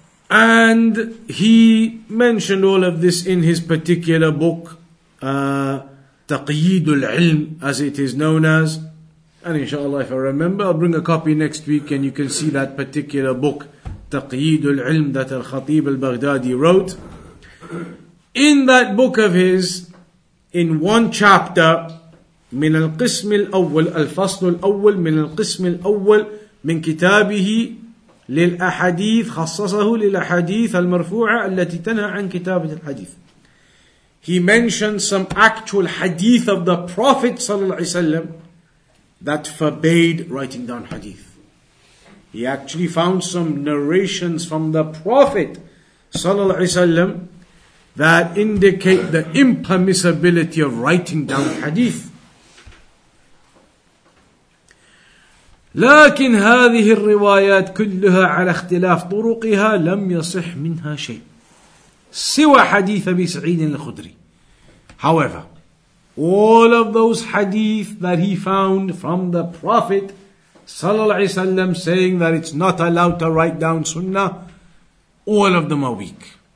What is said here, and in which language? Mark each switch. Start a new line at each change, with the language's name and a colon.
English: And he mentioned all of this in his particular book, Taqyeedul Ilm, as it is known as. And inshallah, if I remember, I'll bring a copy next week and you can see that particular book, Taqyeedul Ilm, that Al-Khatib al-Baghdadi wrote. In that book of his, in one chapter,
Arabic: من القسم الأول الفصل الأول من القسم الأول من كتابه للأحاديث خصصه للأحاديث المرفوعة التي تنهى عن كتابة الحديث.
English: He mentioned some actual hadith of the Prophet صلى الله عليه وسلم that forbade writing down hadith. He actually found some narrations from the Prophet صلى الله عليه وسلم that indicate the impermissibility of writing down hadith.
Arabic: لكن هذه الروايات كلها على اختلاف طرقها لم يصح منها شيء سوى حديث أبي سعيد الخدري.
English: However, all of those hadith that he found from the Prophet صلى الله عليه وسلم saying that it's not allowed to write down sunnah, all of them are weak.